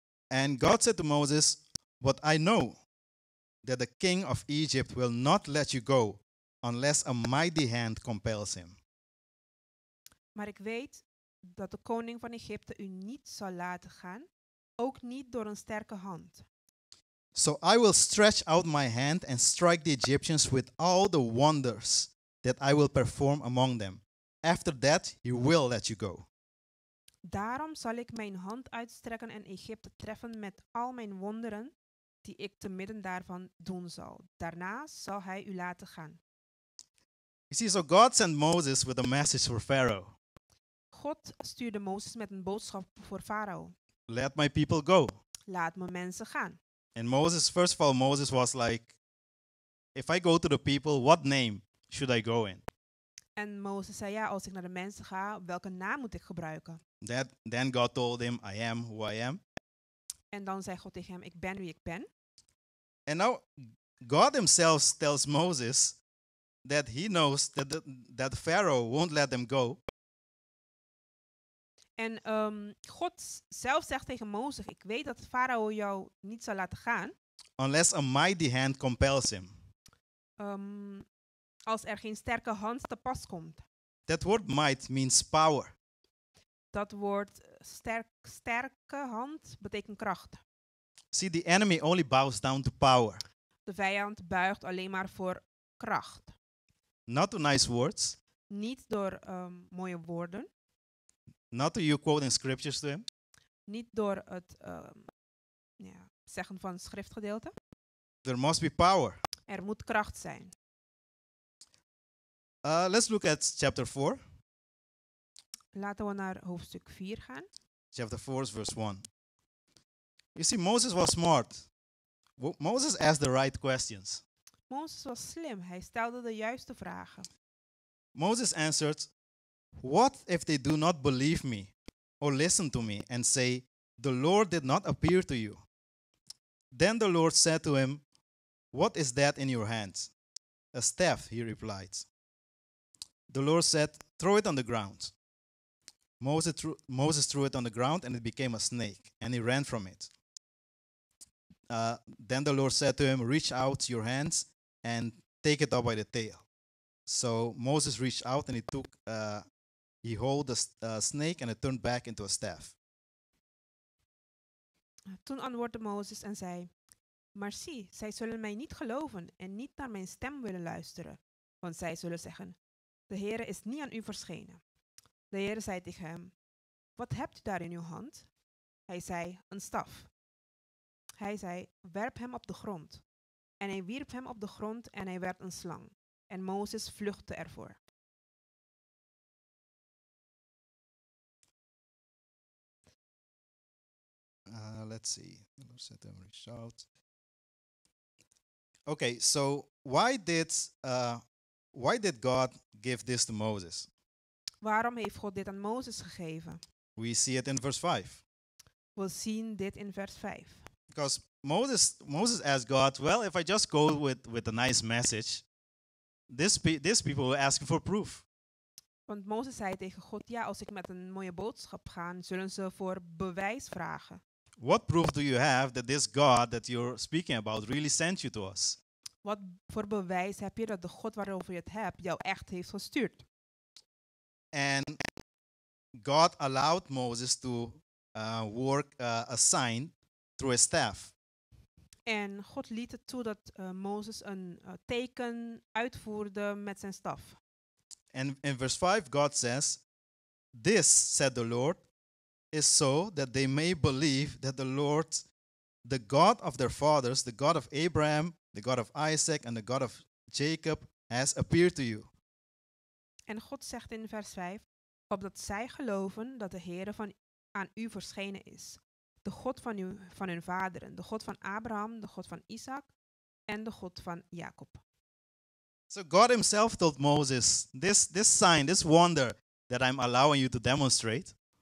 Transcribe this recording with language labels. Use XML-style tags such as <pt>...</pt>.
<en>And God said to Moses, "What I know, that the king of Egypt will not let you go unless a mighty hand compels him."</en> <nl>Maar ik weet dat de koning van Egypte u niet zal laten gaan, ook niet door een sterke hand.</nl> <en>So I will stretch out my hand and strike the Egyptians with all the wonders that I will perform among them. After that, he will let you go.</en> <nl>Daarom zal ik mijn hand uitstrekken en Egypte treffen met al mijn wonderen die ik te midden daarvan doen zal. Daarna zal hij u laten gaan.</nl> <en>You see, so God sent Moses with a message for Pharaoh.</en> <nl>God stuurde Mozes met een boodschap voor Farao.</nl> <en>Let my people go.</en> <nl>Laat mijn mensen gaan.</nl> <en>And Moses, first of all, Moses was like, if I go to the people, what name should I go in?</en> <nl>En Mozes zei, ja, als ik naar de mensen ga, welke naam moet ik gebruiken?</nl> <en>Then God told him, I am who I am.</en> <nl>En dan zei God tegen hem, ik ben wie ik ben.</nl> <en>And now God himself tells Moses that he knows that Pharaoh won't let them go.</en> <nl>En God zelf zegt tegen Mozes, ik weet dat Farao jou niet zal laten gaan.</nl> <en>Unless a mighty hand compels him.</en> <nl>Als er geen sterke hand te pas komt.</nl> <en>That word might means power.</en> <nl>Dat woord sterke hand betekent kracht.</nl> <en>See, the enemy only bows down to power.</en> <nl>De vijand buigt alleen maar voor kracht.</nl> <en>Not to nice words.</en> <nl>Niet door mooie woorden.</nl> <en>Not to you quoting scriptures to him.</en> <nl>Niet door het zeggen van schriftgedeelte.</nl> <en>There must be power.</en> <nl>Er moet kracht zijn.</nl> <en>Let's look at chapter 4.</en> <nl>Laten we naar hoofdstuk 4 gaan.</nl> <en>Chapter 4 is verse 1. You see, Moses was smart. Moses asked the right questions.</en> <nl>Moses was slim. Hij stelde de juiste vragen.</nl> <en>Moses answered, "What if they do not believe me or listen to me and say, 'The Lord did not appear to you'?" Then the Lord said to him, "What is that in your hands?" "A staff," he replied. The Lord said, "Throw it on the ground." Moses threw it on the ground and it became a snake, and he ran from it. Then the Lord said to him, "Reach out your hands and take it up by the tail." So Moses reached out and he held the snake and it turned back into a staff.</en> <nl>Toen antwoordde Mozes en zei, "Maar zie, zij zullen mij niet geloven en niet naar mijn stem willen luisteren, want zij zullen zeggen, 'De Heere is niet aan u verschenen.'" De Heere zei tegen hem, "Wat hebt u daar in uw hand?" Hij zei, "Een staf." Hij zei, "Werp hem op de grond." En hij wierp hem op de grond en hij werd een slang. En Mozes vluchtte ervoor.</nl> <en>Let's see. Let's set them reach out. Okay, so why did God give this to Moses?</en> <nl>Waarom heeft God dit aan Mozes gegeven?</nl> <en>We see it in verse 5.</en> <nl>We zien dit in vers 5.</nl> <en>Because Moses asked God, "Well, if I just go with a nice message, these people will ask for proof."</en> <nl>Want Mozes zei tegen God, ja, als ik met een mooie boodschap ga, zullen ze voor bewijs vragen.</nl> <en>What proof do you have that this God that you're speaking about really sent you to us?</en> <nl>Wat voor bewijs heb je dat de God waarover je het hebt jou echt heeft gestuurd?</nl> <en>And God allowed Moses to work a sign through his staff.</en> <nl>En God liet het toe dat Mozes een teken uitvoerde met zijn staf.</nl> <en>And in verse 5 God says, "This, said the Lord, is so that they may believe that the Lord, the God of their fathers, the God of Abraham, the God of Isaac and the God of Jacob has appeared to you.</en> <nl>En God zegt in vers 5, opdat zij geloven dat de Heere van aan u verschenen is, de God van, van hun vaderen, de God van Abraham, de God van Isaac en de God van Jacob.</nl> <en>So God himself told Moses, this sign, this wonder that I'm allowing you to demonstrate.</en>